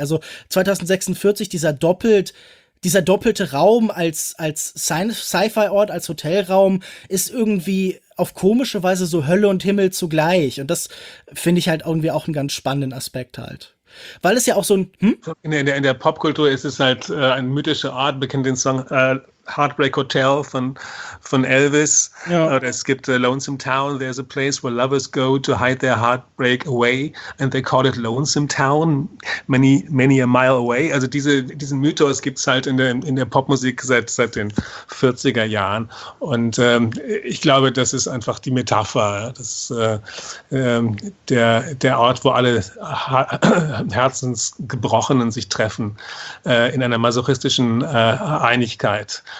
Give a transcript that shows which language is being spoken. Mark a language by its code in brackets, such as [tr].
[de] Also 2046, dieser doppelte Raum als Sci-Fi-Ort, als Hotelraum, ist irgendwie auf komische Weise so Hölle und Himmel zugleich. Und das finde ich halt irgendwie auch einen ganz spannenden Aspekt halt. Weil es ja auch so ein In der Popkultur ist es halt ein mythischer Ort, bekennt den Song Heartbreak Hotel von Elvis. Ja. Es gibt [en] Lonesome Town, there's a place where lovers go to hide their heartbreak away and they call it Lonesome Town, many, many a mile away. [de] Also diesen Mythos gibt es halt in der Popmusik seit den 40er Jahren. Und ich glaube, das ist einfach die Metapher. Das ist der Ort, wo alle Herzensgebrochenen sich treffen, in einer masochistischen Einigkeit.